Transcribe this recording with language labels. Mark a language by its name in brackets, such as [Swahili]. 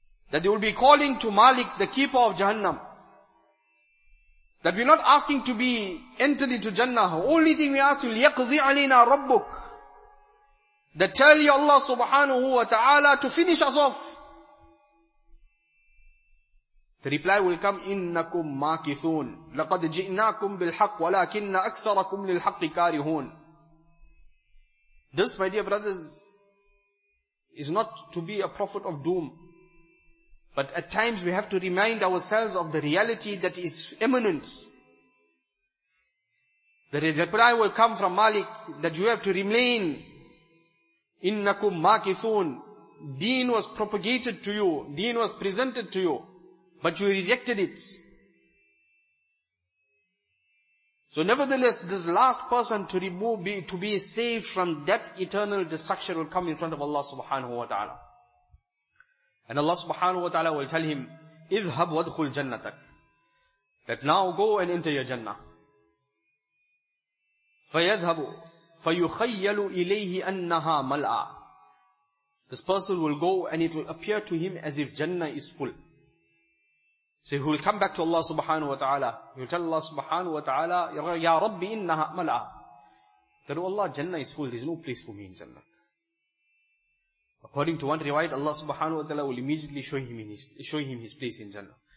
[English] That they will be calling to Malik, the keeper of Jahannam. That we're not asking to be entered into Jannah. Only thing we ask is, [Arabic] لِيَقْضِي عَلَيْنَا رَبُّكُ. [English] That tell you Allah subhanahu wa ta'ala to finish us off. The reply will come, [Arabic] إِنَّكُمْ مَاكِثُونَ لَقَدْ جِئْنَاكُمْ بِالْحَقِّ وَلَكِنَّ أَكْثَرَكُمْ لِلْحَقِّ كَارِهُونَ. [English] This, my dear brothers, is not to be a prophet of doom. But at times we have to remind ourselves of the reality that is imminent. The reply will come from Malik that you have to remain. [Arabic] Innakum makithun. [English] Deen was propagated to you. Deen was presented to you. But you rejected it. So nevertheless, this last person to be saved from that eternal destruction will come in front of Allah subhanahu wa ta'ala. And Allah subhanahu wa ta'ala will tell him, [Arabic] اذهب وادخل جنتك. [English] That now go and enter your jannah. [Arabic] فيذهب فيخيل إليه أنها ملأ. [English] This person will go and it will appear to him as if jannah is full. So he will come back to Allah subhanahu wa ta'ala. He will tell Allah subhanahu wa ta'ala, [Arabic] Ya Rabbi innaha mala. [English] That Allah, Jannah is full. There is no place for me in Jannah. According to one riwayat, Allah subhanahu wa ta'ala will immediately show him his place in Jannah.